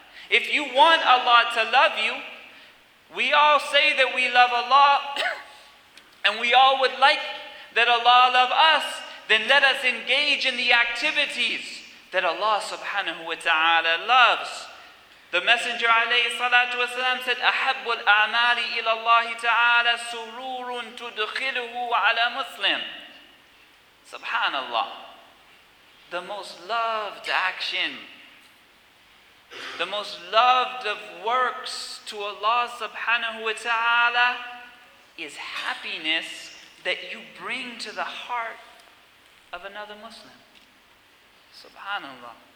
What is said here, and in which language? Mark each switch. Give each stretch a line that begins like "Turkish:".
English: If you want Allah to love you, we all say that we love Allah, and we all would like that Allah love us, then let us engage in the activities that Allah subhanahu wa ta'ala loves. The Messenger alayhi salatu wasalam said,
Arabic: أَحَبُّ الْأَعْمَالِ إِلَى اللَّهِ تَعَالَى سُرُورٌ تُدْخِلُهُ عَلَى مُسْلِمٍ. Subhanallah.
English: The most loved action, the most loved of works to Allah subhanahu wa ta'ala is happiness that you bring to the heart of another Muslim. Subhanallah.